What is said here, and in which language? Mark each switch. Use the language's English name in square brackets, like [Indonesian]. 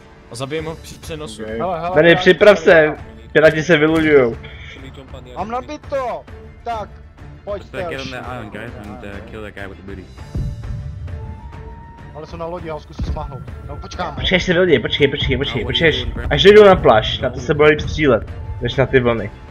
[Czech] A zabijem ho při přenosu. [English] Okay. [Czech] Hele, Benny, připrav se, piráti se vyluďujou. Mám nabit to! Tak, pojď se. [English] Get on that island, guys, and kill that guy with the booty. [Czech] Ale jsou na lodi, já ho zkusím smáhnout. No, počkáme. Počkej se lodi, počkej. Až dojdu na pláž, na to se bude líp střílet, než na ty vlny.